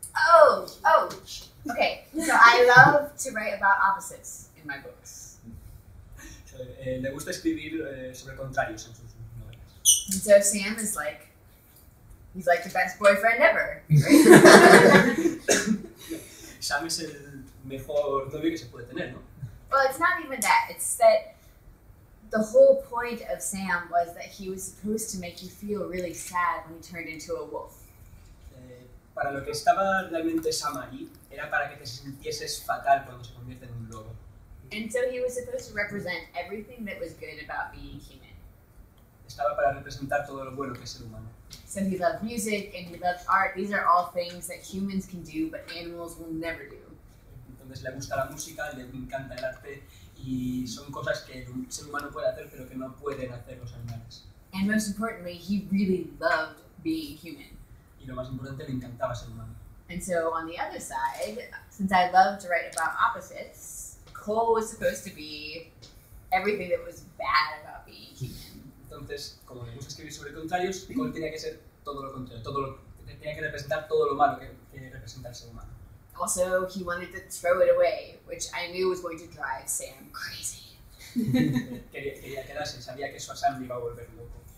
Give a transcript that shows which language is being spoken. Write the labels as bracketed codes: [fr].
[en] Oh. Okay. So I love to write about opposites in my books. [es] Le gusta escribir sobre contrarios en sus. [en] And so Sam is like, he's like the best boyfriend ever. Right? [es] Sam es el mejor novio que se puede tener, ¿no? [en] Well, it's not even that. It's that the whole point of Sam was that he was supposed to make you feel really sad when he turned into a wolf. [es] Para lo que estaba realmente Sam ahí, era para que te sintieses fatal cuando se convierte en un lobo. [en] And so he was supposed to represent everything that was good about being human. [es] Estaba para representar todo lo bueno que es el humano. [en] So he loved music and he loved art. These are all things that humans can do, but animals will never do. [es] Entonces le gusta la música, le encanta el arte, y son cosas que el ser humano puede hacer, pero que no pueden hacer los animales. [en] And most importantly, he really loved being human. [es] Y lo más importante, le encantaba ser humano. [en] And so on the other side, since I love to write about opposites, Cole was supposed to be everything that was bad about being human. [es] Entonces, como le gusta escribir sobre contrarios, Cole tenía que ser todo lo contrario, tenía que representar todo lo malo que representa el ser humano. [en] Also, he wanted to throw it away, which I knew was going to drive Sam crazy. [es] quería quedarse, sabía que eso a Sam le iba a volver loco.